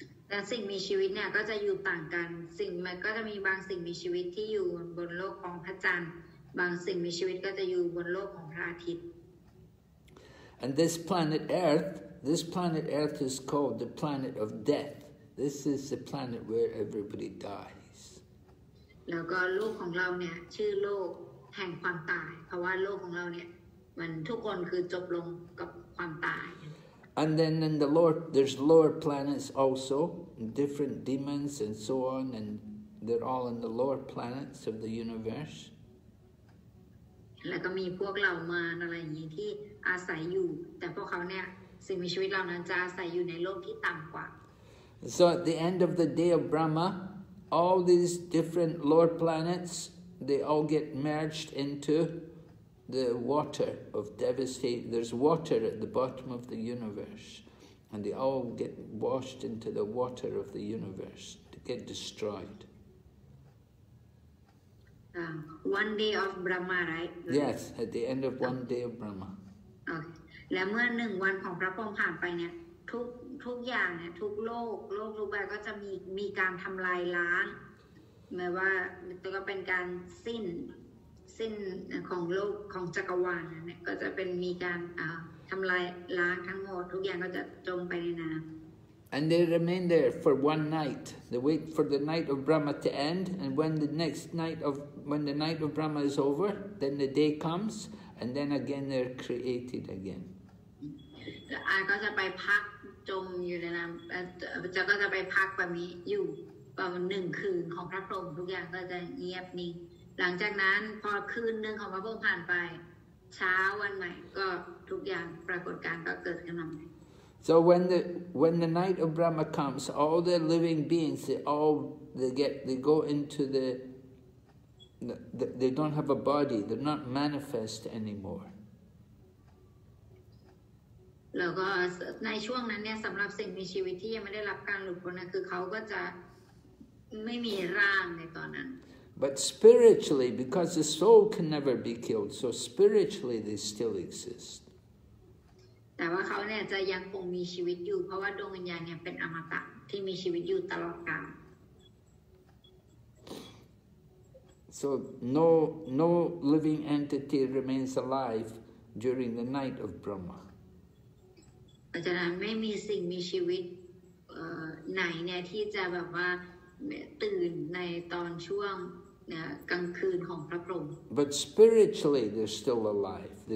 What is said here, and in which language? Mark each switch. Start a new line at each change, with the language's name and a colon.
English: And this planet Earth is called the planet of death. This is the planet where everybody dies.
Thai: แล้วก็ลูกของเราเนี่ยชื่อโลกแห่งความตายเพราะว่าโลกของเราเนี่ยมันทุกคนคือจบลงกับความตาย
English: And then in the lower, there's lower planets also, different demons and so on, and they're all in the lower planets of the universe.
Thai: แล้วก็มีพวกเหล่ามารอะไรอย่างนี้ที่อาศัยอยู่แต่พวกเขาเนี่ยสิ่งมีชีวิตเหล่านั้นจะอาศัยอยู่ในโลกที่ต่ำกว่า
English: So at the end of the day of Brahma, all these different lower planets, they all get merged into the water of devastation. There's water at the bottom of the universe, and they all get washed into the water of the universe to get destroyed. One day of Brahma, right? Yes, at the end of one day of Brahma. Okay.
Thai: และเมื่อหนึ่งวันของพระพรหมผ่านไปเนี่ยทุกอย่างเนี่ยทุกโลกทุกใบก็จะมีการทำลายล้างหมายว่าตัวก็เป็นการสิ้นของโลกของจักรวาลนั่นก็จะเป็นมีการทำลายล้างทั้งหมดทุกอย่างก็จะจมไปในน้ำ
English: And they remain there for one night. They wait for the night of Brahma to end, and when the night of Brahma is over, then the day comes, and then again they're created again.
Thai: I ก็จะไปพักจมอยู่ในน้ำจะก็จะไปพักแบบนี้อยู่ประมาณหนึ่งคืนของพระพรหมทุกอย่างก็จะเงียบนิ่งหลังจากนั้นพอคืนหนึ่งของพระพรหมผ่านไปเช้าวันใหม่ก็ทุกอย่างปรากฏการณ์ก็เกิดขึ้นมาใหม่
English: So when the night of Brahma comes, all the living beings they don't have a body. They're not manifest anymore.
Thai: แล้วก็ในช่วงนั้นเนี่ยสำหรับสิ่งมีชีวิตที่ยังไม่ได้รับการหลุดพ้นนะคือเขาก็จะไม่มีร่างในตอนนั้น
English: But spiritually, because the soul can never be killed, so spiritually they still exist.
Thai: แต่ว่าเขาเนี่ยจะยังคงมีชีวิตอยู่เพราะว่าดวงวิญญาณเนี่ยเป็นอมตะที่มีชีวิตอยู่ตลอดกาล
English: So no living entity remains alive during the night of Brahma.
Thai: เพราะฉะนั้นไม่มีสิ่งมีชีวิตไหนเนี่ยที่จะแบบว่าตื่นในตอนช่วงกลางคืนของพระพรหม
English: But spiritually they're still alive.